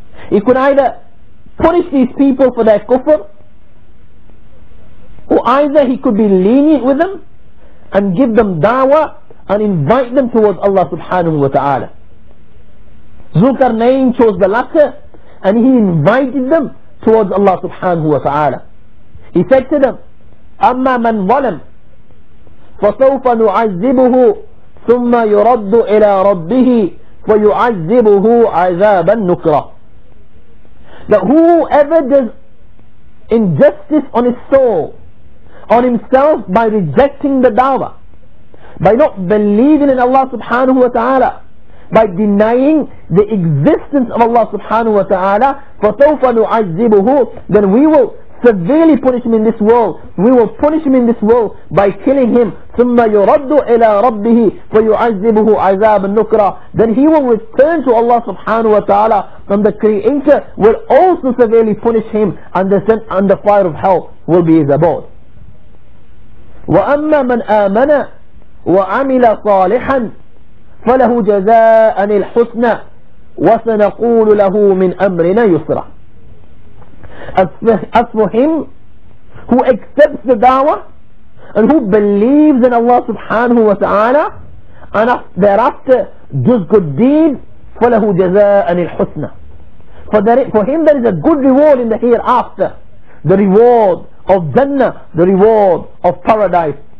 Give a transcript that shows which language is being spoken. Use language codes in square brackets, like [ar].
[en] He could either punish these people for their kufr, or either he could be lenient with them and give them da'wah and invite them towards Allah subhanahu wa ta'ala. Dhulqarnain chose the latter, and he invited them towards Allah subhanahu wa ta'ala. He said to them, [ar] أَمَّا مَنْ ظَلَمْ فَسَوْفَ نُعَذِّبُهُ ثم يرد إلى ربه فيعذبه عذابا نكرا. [en] That whoever does injustice on his soul, on himself, by rejecting the da'wah, by not believing in Allah subhanahu wa ta'ala, by denying the existence of Allah subhanahu wa ta'ala, [ar] فسوف نعذبه, [en] then we will severely punish him in this world. We will punish him in this world by killing him. [ar] ثم يرد إلى ربه فيعذبه عذاب النكرة. [en] Then he will return to Allah subhanahu wa ta'ala, and the Creator will also severely punish him, and the sin and the fire of hell will be his abode. [ar] وأما من آمن وعمل صالحا فله جزاء الحسنى وسنقول له من أمرنا يسرا. [en] As for him who accepts the da'wah and who believes in Allah subhanahu wa ta'ala and thereafter does good deeds, [ar] فَلَهُ جَزَاءً الْحُسْنَ, [en] for him there is a good reward in the hereafter, the reward of Jannah, the reward of paradise.